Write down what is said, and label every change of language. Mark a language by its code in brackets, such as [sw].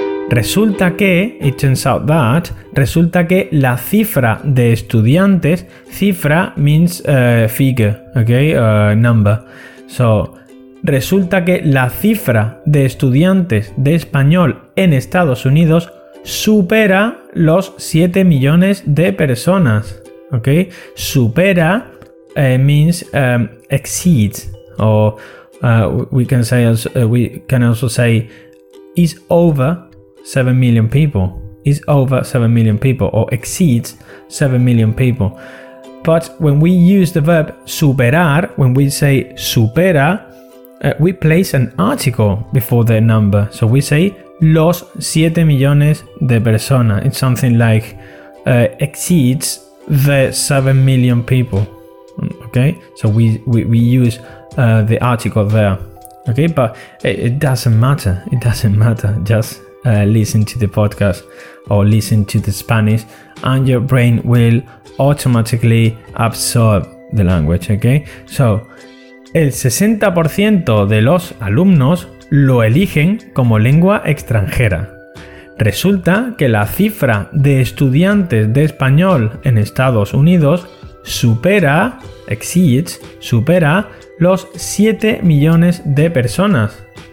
[es] Resulta que, [en] it turns out that, [es] resulta que la cifra de estudiantes, cifra [en] means figure, okay, number. [es] So, resulta que la cifra de estudiantes de español en Estados Unidos supera los 7 millones de personas, okay? [en] Supera means exceeds, or we can say also, we can also say is over 7 million people, is over 7 million people, or exceeds 7 million people. But when we use the verb superar, when we say supera, we place an article before the number. So we say [es] los 7 millones de personas. [en] It's something like exceeds the 7 million people. Okay, so we use the article there. Okay, but it doesn't matter. It doesn't matter. Just listen to the podcast or listen to the Spanish and your brain will automatically absorb the language. [es] Okay, so el 60% de los alumnos lo eligen como lengua extranjera. Resulta que la cifra de estudiantes de español en Estados Unidos supera, exceeds, supera los 7 millones de personas.